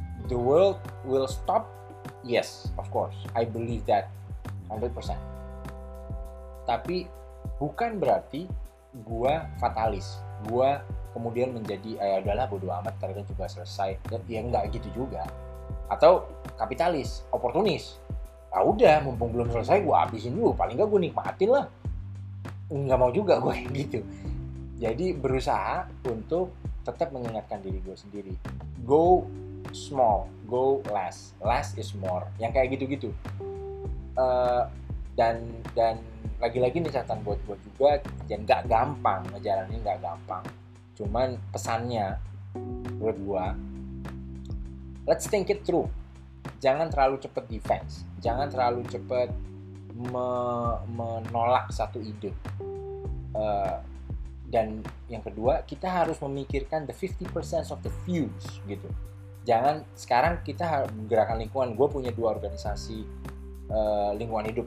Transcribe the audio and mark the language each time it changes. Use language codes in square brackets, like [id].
[en] The world will stop, yes, of course. I believe that 100%. [id] Tapi bukan berarti gue fatalis, gue kemudian menjadi adalah bodo amat, ternyata juga selesai. Ya nggak gitu juga. Atau kapitalis, oportunis. Ya udah, mumpung belum selesai, gue habisin dulu. Paling nggak gue nikmatin lah. Nggak mau juga gue gitu. Jadi berusaha untuk tetap mengingatkan diri gue sendiri. [en] Go small, go less. Less is more. [id] Yang kayak gitu-gitu. Dan lagi-lagi nih catatan buat gue juga, yang nggak gampang, ngejalanin nggak gampang. Cuman pesannya buat gue, [en] let's think it through. [id] Jangan terlalu cepat defense. Jangan terlalu cepat menolak satu ide. Dan yang kedua, kita harus memikirkan [en] the 50% of the views [id] gitu. Jangan sekarang kita menggerakkan lingkungan. Gue punya dua organisasi lingkungan hidup.